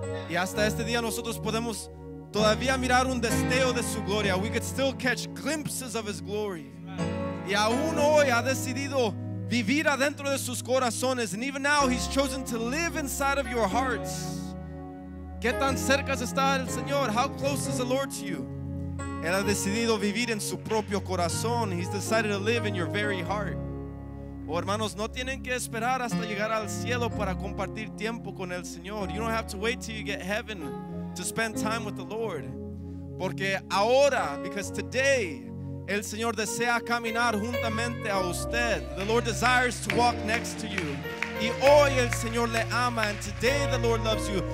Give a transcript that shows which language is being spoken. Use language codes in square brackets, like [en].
[es] Y hasta este día nosotros podemos todavía mirar un destello de su gloria. [en] We could still catch glimpses of his glory. [es] Y aún hoy ha decidido vivir adentro de sus corazones. [en] And even now he's chosen to live inside of your hearts. [es] ¿Qué tan cerca está el Señor? [en] How close is the Lord to you? [es] Él ha decidido vivir en su propio corazón. [en] He's decided to live in your very heart. [es] Oh, hermanos, no tienen que esperar hasta llegar al cielo para compartir tiempo con el Señor. [en] You don't have to wait till you get heaven to spend time with the Lord. [es] Porque ahora, [en] because today, [es] el Señor desea caminar juntamente a usted. [en] The Lord desires to walk next to you. [es] Y hoy el Señor le ama, [en] and today the Lord loves you.